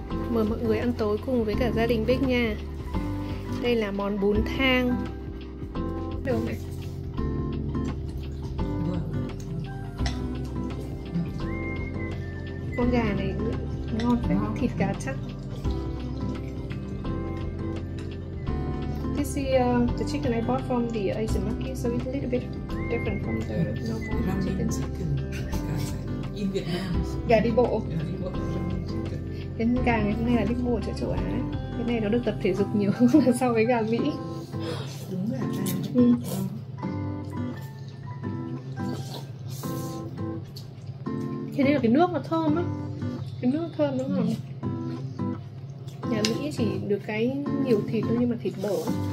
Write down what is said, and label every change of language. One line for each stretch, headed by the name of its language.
Vietnamese: Mời mọi người ăn tối cùng với cả gia đình Bích nha. Đây là món bún thang. Được không? Có con gà này ngon phải không? Thịt gà chắc.
English: This is the chicken I bought from the Asian market, so it's a little bit different from the normal chicken.
Vietnamese: Gà đi bộ. Cái gà ngày hôm nay là đi bộ ở châu Á. Cái này nó được tập thể dục nhiều hơn so với gà Mỹ. Đúng rồi. Thế nên là cái nước nó thơm á. Cái nước thơm đúng không? Nhà Mỹ chỉ được cái nhiều thịt thôi, nhưng mà thịt bổ.